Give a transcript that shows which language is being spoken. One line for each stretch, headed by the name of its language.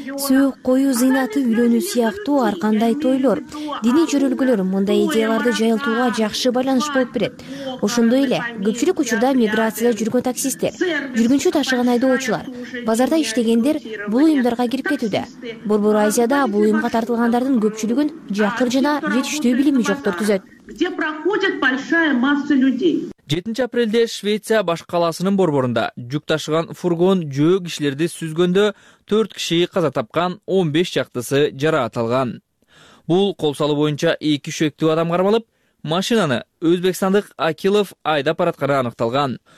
Kyrgyz: Сүйүк коюу зыйнаты үйлөнүү сыяктуу ар кандай тойлор, диний жөрүлгүлөр мындай идеяларды жайылтууга жакшы байланыш болуп берет. Ошондой эле көпчүлүк учурда миграцияда жүргөн таксисттер, жүргүнчү ташыган айдоочулар, базарда иштегендер бул уюмдарга кирип кетүүдө. Борбор Азияда бул уюмга тартылгандардын көпчүлүгүн жакыр жана жетиштүү билими жоктор түзөт.
Russian: Где проходит большая масса людей.
Kyrgyz: 7 апрелде Швеция баш калаасынын борборунда жүк ташыган фургон жөө кишилерди сүзгөндө 4 киши каза тапкан, 15 жактысы жараат алган. Бул кол салуу боюнча 2 шектүү адам кармалып, машинаны Өзбекстандык Акилов айдап баратканы аныкталган.